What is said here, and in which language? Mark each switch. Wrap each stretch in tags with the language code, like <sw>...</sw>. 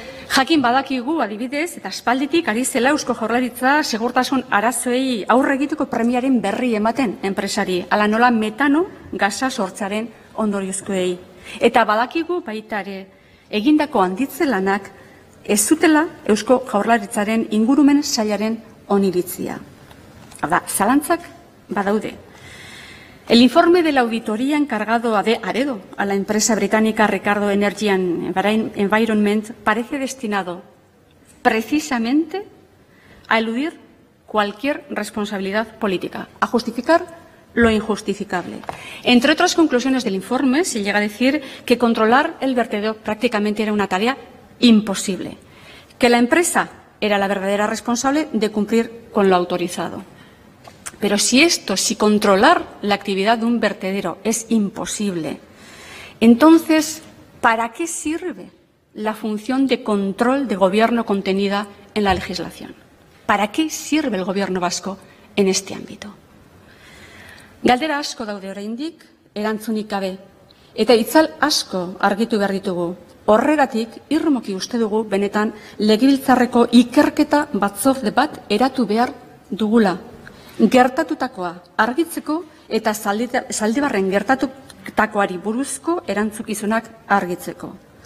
<eu>Jakin badakigu adibidez eta aspalditik ari zela Eusko Jaurlaritza segurtasun arazoei aurre egiteko premiaren berri ematen enpresari, hala nola metano gasa sortzaren ondoriozkoei. Eta badakigu baitare egindako handitze lanak ez zutela Eusko Jaurlaritzaren ingurumen sailaren oniritzia. Hala, zalantzak badaude.</eu> <es>El informe de la auditoría encargado de Aredo a la empresa británica Ricardo Energy and Environment parece destinado precisamente a eludir cualquier responsabilidad política, a justificar lo injustificable. Entre otras conclusiones del informe se llega a decir que controlar el vertedero prácticamente era una tarea imposible, que la empresa era la verdadera responsable de cumplir con lo autorizado. Pero si controlar la actividad de un vertedero es imposible, entonces, ¿para qué sirve la función de control de gobierno contenida en la legislación. ¿Para qué sirve el gobierno vasco en este ámbito?</es> <eu>Galdera asko daude oraindik erantzunik gabe, eta itzal asko argitu behar ditugu. Horregatik, irmoki uste dugu benetan legebiltzarreko ikerketa batzorde bat eratu behar dugula. Gertatutakoa argitzeko eta Zaldibarren gertatutakoari buruzko erantzukizunak argitzeko.</eu>